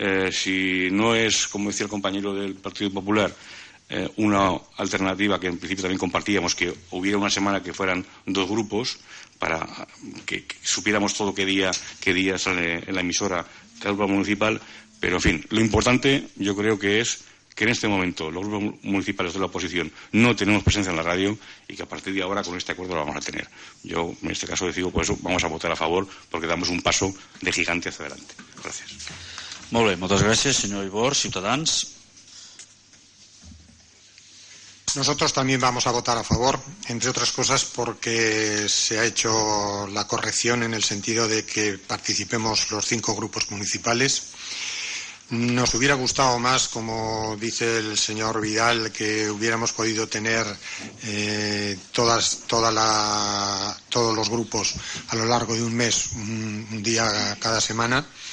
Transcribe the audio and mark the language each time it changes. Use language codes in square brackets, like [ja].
[es] Si no es, como decía el compañero del Partido Popular, una alternativa que en principio también compartíamos, que hubiera una semana que fueran dos grupos para que supiéramos todo qué día sale en la emisora cada grupo municipal. Pero, en fin, lo importante yo creo que es que en este momento los grupos municipales de la oposición no tenemos presencia en la radio y que a partir de ahora con este acuerdo lo vamos a tener. Yo en este caso decido por eso, vamos a votar a favor porque damos un paso de gigante hacia adelante. Gracias. [ca] Molt bé, moltes gràcies, senyor Ibor, Ciutadans. [es] Nosotros también vamos a votar a favor, entre otras cosas porque se ha hecho la corrección en el sentido de que participemos los cinco grupos municipales. Nos hubiera gustado más, como dice el señor Vidal, que hubiéramos podido tener todos los grupos a lo largo de un mes, un día cada semana,